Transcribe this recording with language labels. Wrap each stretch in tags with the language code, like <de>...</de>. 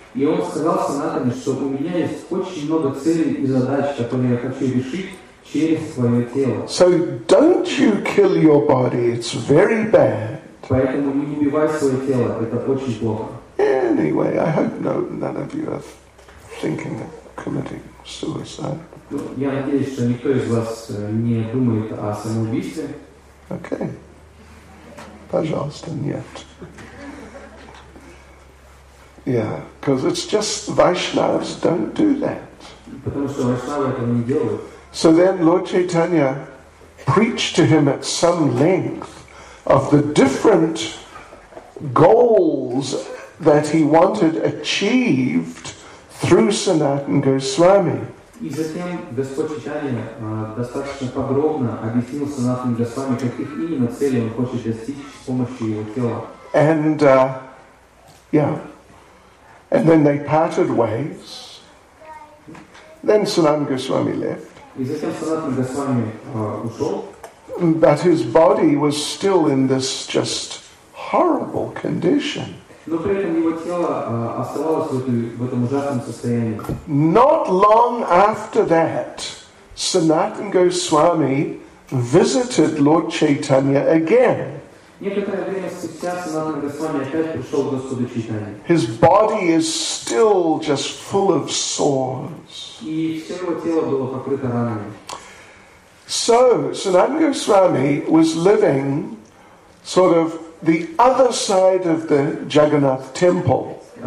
<ru>И он сказал Санатане, что у меня есть очень много целей и задач, которые я хочу решить через свое тело.</ru> <en>So don't you kill your body, it's very bad.</en> <ru>Поэтому не убивай свое тело, это очень плохо.</ru> <en>Anyway, I hope none of you are thinking of committing suicide.</en> <ru>Я надеюсь, что никто из вас не думает о самоубийстве. Okay. Пожалуйста, нет.</ru> <en>Yeah, because it's just Vaishnavas don't do that. So then Lord Chaitanya preached to him at some length of the different goals that he wanted achieved through Sanatan Goswami.</en> <ru>И затем Господь Чайтанья достаточно подробно объяснил Санатану Госвами, каких именно целей он хочет достичь с помощью его тела.</ru> <en>And and then they parted ways. Then Санатан Госвами left.</en> <ru>И затем Санатан Госвами ушел.</ru> <en>But his body was still in this just horrible condition.</en> <ru>Но при этом его тело оставалось в этом ужасном состоянии.</ru> <en>Not long after that, Sanatan Goswami visited Lord Chaitanya again.</en> <ru>Некоторое время спустя Санатана Госвами опять пришел к Господу Чайтанья.</ru> <en>His body is still just full of sores.</en> <ru>И все его тело было покрыто ранами.</ru> <en>So, Sanatana Goswami was living sort of the other side of the Jagannath temple.</en>